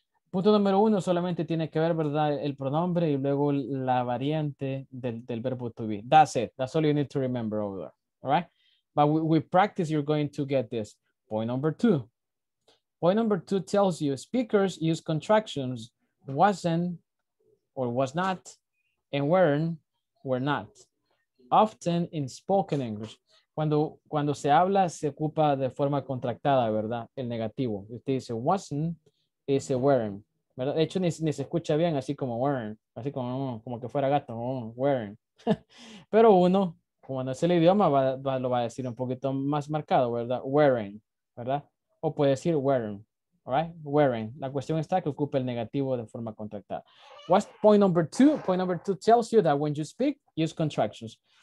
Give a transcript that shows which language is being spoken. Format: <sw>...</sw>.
<es>Punto número uno solamente tiene que ver, ¿verdad? El pronombre y luego la variante del verbo to be.</es> <en>That's it. That's all you need to remember over there. All right? But with practice, you're going to get this. Point number two. Point number two tells you speakers use contractions wasn't or was not and weren't, were not. Often in spoken English.</en> <es>Cuando se habla, se ocupa de forma contractada, ¿verdad? El negativo. Usted dice wasn't, y dice weren't, ¿verdad? De hecho, ni se escucha bien así como weren't. Así como, como que fuera gato, weren't. Pero uno, cuando es el idioma, lo va a decir un poquito más marcado, ¿verdad? Weren't, ¿verdad? O puede decir weren't,</es> <en>all right?</en> <es>Weren't. La cuestión está que ocupa el negativo de forma contractada.</es> <en>What's point number two? Point number two tells you that when you speak, use contractions.</en>